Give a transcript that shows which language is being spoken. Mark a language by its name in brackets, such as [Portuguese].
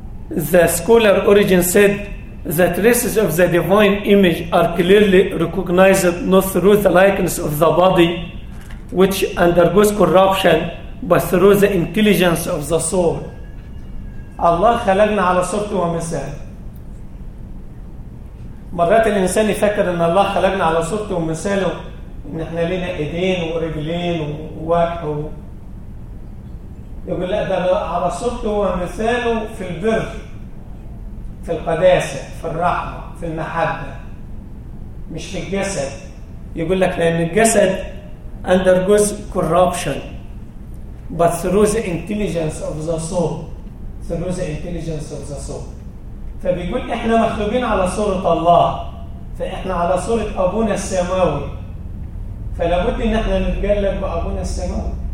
[English] The scholar Origen said the traces of the divine image are clearly recognized not through the likeness of the body, which undergoes corruption, but through the intelligence of the soul. [Arabic] Allah خلقنا على صورته ومثاله. مرات الإنسان يفكر أن الله خلقنا على صورته ومثاله، إن إحنا لنا إيدين ورجلين ووجه. يقول لا، ده على صورته ومثاله في البر، في القداسة، في الرحمة، في المحبة، مش في الجسد. يقول لك لأن الجسد [English] undergoes corruption but through the intelligence of the soul. Through the intelligence of the soul. [Arabic] فبيقول إحنا مخلوقين على صورة الله، فإحنا على صورة أبونا السماوي، فلابد إن إحنا نتجلد بأبونا السماوي.